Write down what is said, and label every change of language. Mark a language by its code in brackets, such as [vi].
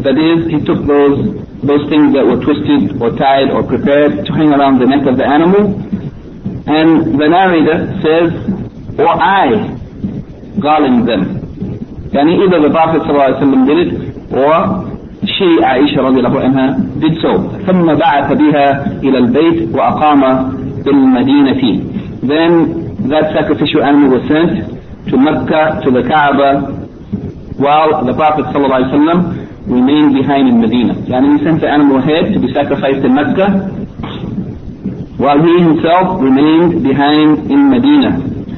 [en] That is, he took those things that were twisted or tied or prepared to hang around the neck of the animal. And the narrator says, or I garlanded them. Yani either the Prophet sallallahu alayhi wa sallam did it, or she, Aisha radiallahu anha, did so. [ar] ثم بعث بها إلى البيت وأقام بالمدينة. [en] Then that sacrificial animal was sent to Mecca, to the Kaaba, while the Prophet sallallahu alayhi wa sallam remained behind in Medina. And he sent the animal ahead to be sacrificed in Mecca, while he himself remained behind in Medina.